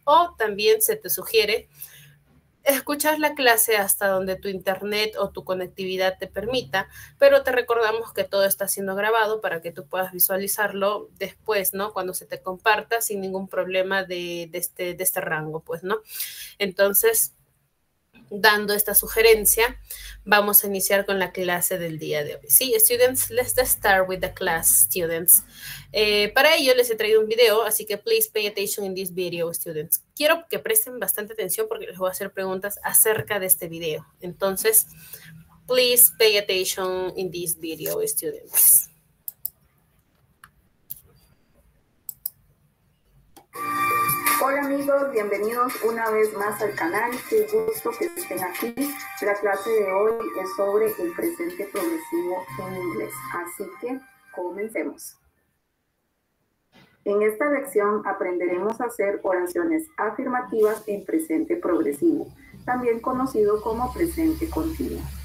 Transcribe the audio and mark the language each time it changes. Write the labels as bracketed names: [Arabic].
[Spanish] O también se te sugiere escuchar la clase hasta donde tu internet o tu conectividad te permita, pero te recordamos que todo está siendo grabado para que tú puedas visualizarlo después, ¿no? Cuando se te comparta sin ningún problema de este rango, pues, ¿no? Entonces, dando esta sugerencia, vamos a iniciar con la clase del día de hoy. [English] Sí, students, let's start with the class, students. [Spanish] Para ello, les he traído un video, así que [English] please pay attention in this video, students. [Spanish] Quiero que presten bastante atención porque les voy a hacer preguntas acerca de este video. [English] Entonces, please pay attention in this video, students. [Spanish] Hola amigos, bienvenidos una vez más al canal. Qué gusto que estén aquí. La clase de hoy es sobre el presente progresivo en inglés. Así que comencemos. En esta lección aprenderemos a hacer oraciones afirmativas en presente progresivo, también conocido como presente continuo.